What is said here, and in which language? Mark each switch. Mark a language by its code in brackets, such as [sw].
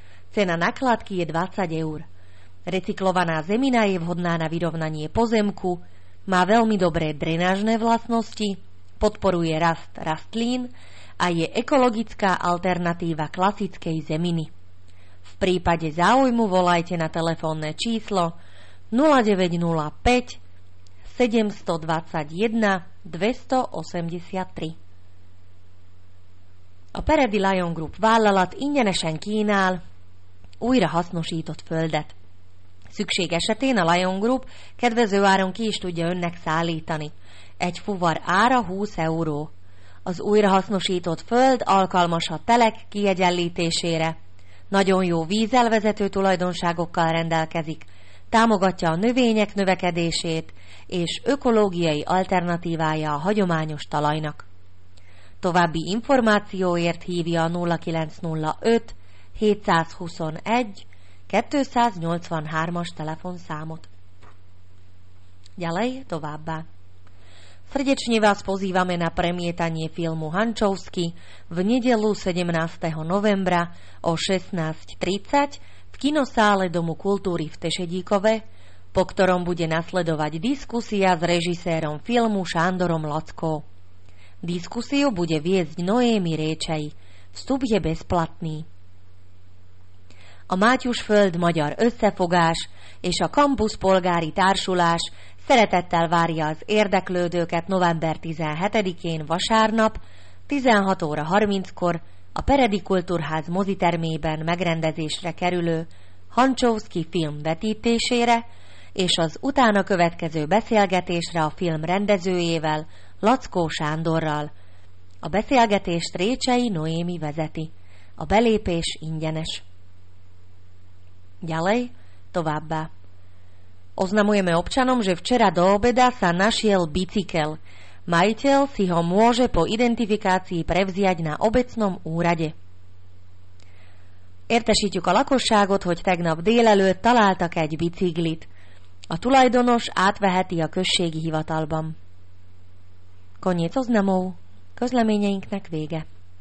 [sk] Cena nakládky je 20 eur. Recyklovaná zemina je vhodná na vyrovnanie pozemku, má veľmi dobré drenážne vlastnosti, podporuje rast rastlín a je ekologická alternatíva klasickej zeminy. V prípade záujmu volajte na telefónne číslo 0905 721 283. [hu] A Peredi Lion Group vállalat ingyenesen kínál újra hasznosított földet. Szükség esetén a Lion Group kedvező áron ki is tudja önnek szállítani. Egy fuvar ára 20 euró. Az újrahasznosított föld alkalmas a telek kiegyenlítésére. Nagyon jó vízelvezető tulajdonságokkal rendelkezik, támogatja a növények növekedését, és ökológiai alternatívája a hagyományos talajnak. További információért hívja a 0905-721-283-as telefonszámot. [sk] Ďalej, [hu] továbbá. [sk] Srdečne vás pozývame na premietanie filmu Hančovský v nedeľu 17. novembra o 16.30 v kinosále Domu kultúry v Tešedíkove, po ktorom bude nasledovať diskusia s režisérom filmu Šándorom Lacko. Diskusiu bude viesť Noémy Réčej. Vstup je bezplatný. [hu] A Mátyusföld Magyar Összefogás és a Campus Polgári Társulás szeretettel várja az érdeklődőket november 17-én vasárnap 16 óra 30-kor a Peredi Kultúrház mozitermében megrendezésre kerülő Hančovský film vetítésére és az utána következő beszélgetésre a film rendezőjével, Lackó Sándorral. A beszélgetést Réčej Noémy vezeti. A belépés ingyenes. [sk] Ďalej, [hu] továbbá. [sk] Oznamujeme občanom, že včera do obeda sa našiel bicykel. Majiteľ si ho môže po identifikácii prevziať na obecnom úrade. [hu] Értesítjük a lakosságot, hogy tegnap délelőtt találtak egy biciklit. A tulajdonos átveheti a községi hivatalban. [sk] Koniec oznamov. [hu] Közleményeinknek vége.